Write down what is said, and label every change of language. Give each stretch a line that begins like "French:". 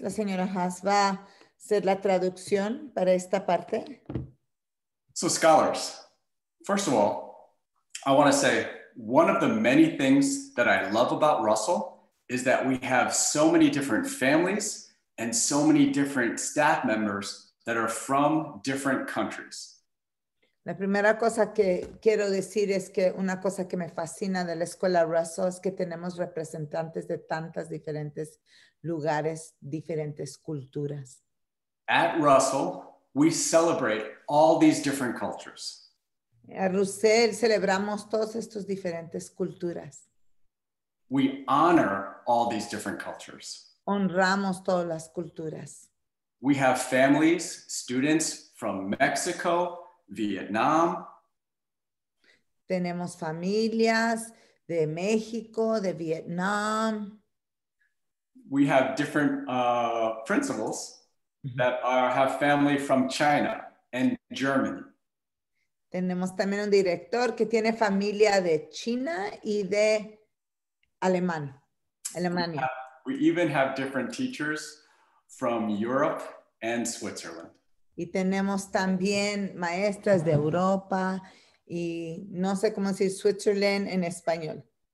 Spanish: La señora Haas va a hacer la traducción para esta parte.
English: So, scholars. First of all, I want to say one of the many things that I love about Russell is that we have so many different families and so many different staff members that are from different countries.
Spanish: La primera cosa que quiero decir es que una cosa que me fascina de la escuela Russell es que tenemos representantes de tantas diferentes lugares, diferentes culturas.
English: At Russell, we celebrate all these different cultures.
Spanish: A Russell celebramos todas estas diferentes culturas.
English: We honor all these different cultures.
Spanish: Honramos todas las culturas.
English: We have families, students from Mexico, Vietnam.
Spanish: Tenemos familias de México, de Vietnam.
English: We have different principals that have family from China and Germany.
Spanish: Tenemos también un director que tiene familia de China y de Alemania.
English: We even have different teachers from Europe and Switzerland.
Spanish: Y tenemos también maestras de Europa y no sé cómo decir Switzerland en español.